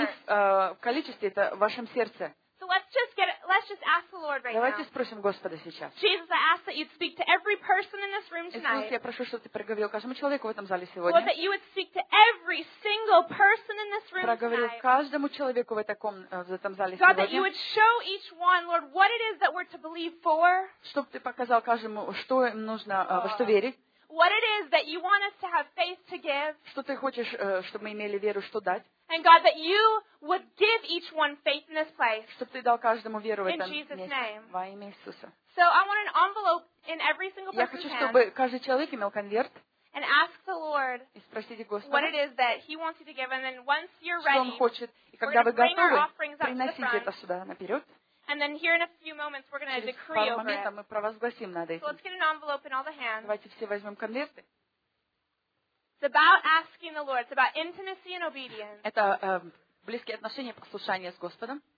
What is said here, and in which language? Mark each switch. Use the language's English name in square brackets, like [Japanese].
[Russian] Не в количестве, это в вашем сердце. [English] So let's just ask the Lord right now. [Russian] Давайте спросим Господа сейчас. [English] Jesus, I ask that you'd speak to every person in this room tonight. [Russian] Иисус, я прошу, чтобы ты проговорил каждому человеку в этом зале сегодня. [English] Well, that you would speak to every single person in this room [Russian] проговорил [English] tonight. [Russian] Проговорил каждому человеку в этом зале [English] God, God, that you would show each one, Lord, what it is that we're to believe for. [Russian] Чтоб ты показал каждому, что им нужно, во что верить. [English] What it is that you want us to have faith to give? [Russian] Что ты хочешь, чтобы мы имели веру, что дать? [English] And God, that you would give each one faith in this place. [Russian] Чтоб ты дал каждому веру в этом месте. [English] In Jesus' name. [Russian] Во имя Иисуса. [English] So I want an envelope in every single person's hand. [Russian] Я хочу, чтобы каждый человек имел конверт. [English] And ask the Lord. [Russian] И спросите Господа. [English] What it is that He wants you to give, and then once you're ready. [Russian] Что Он хочет, и когда вы готовы, приносите это сюда наперед. [English] And then here in a few moments we're going to decree over it. [Russian] Через пару моментов мы провозгласим над этим. [English] So let's get an envelope in all the hands. [Russian] Давайте все возьмем конверты. [English] It's about asking the Lord. It's about intimacy and obedience. [Russian] Это близкие отношения, послушание с Господом.